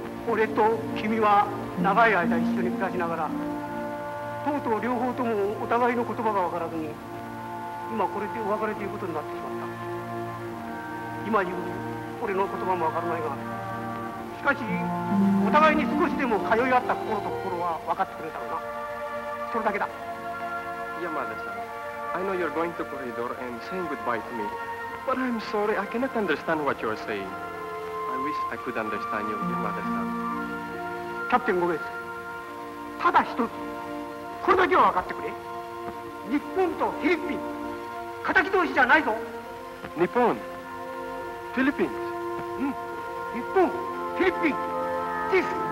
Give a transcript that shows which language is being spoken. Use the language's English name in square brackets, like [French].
[Japanese] 俺と君は長い間一緒に暮らしながらとうとう両方ともお互いの言葉がわからずに今これでお別れということになってしまった。今言う俺の言葉もわからないが、しかしお互いに少しでも通い合った心と心は分かってくれたろうな。それだけだ。 [English] Yamada-san, I know you're going to corridor and saying goodbye to me, but I'm sorry, I cannot understand what you're saying. I wish I could understand you, Yamada-san. [Japanese] Captain Gomez, ただ一つ、これだけは分かってくれ。日本とフィリピン、敵同士じゃないぞ。日本、フィリピン。うん、日本、フィリピン、This.